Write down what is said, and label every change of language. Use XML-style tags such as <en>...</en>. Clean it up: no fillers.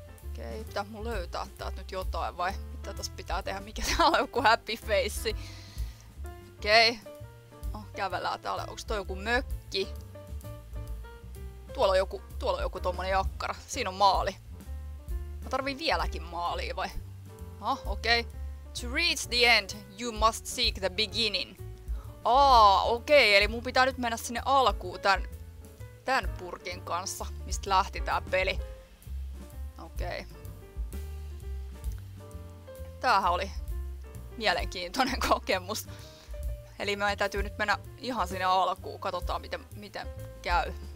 <fi>Okei, pitää mun löytää täältä nyt jotain vai? Mitä tässä pitää tehdä? Mikä täällä on joku happy face? Okei. Oh, kävellään täällä. Onks toi joku mökki? Tuolla on joku tommonen jakkara. Siinä on maali. Mä tarvii vieläkin maalia vai? Oh, okei.</fi> <en>To reach the end, you must seek the beginning.</en> <fi>Aa, okei, eli mun pitää nyt mennä sinne alkuun tän purkin kanssa, mistä lähti tää peli. Okei. Tämähän oli mielenkiintoinen kokemus. Eli meidän täytyy nyt mennä ihan sinne alkuun, katsotaan miten käy.</fi>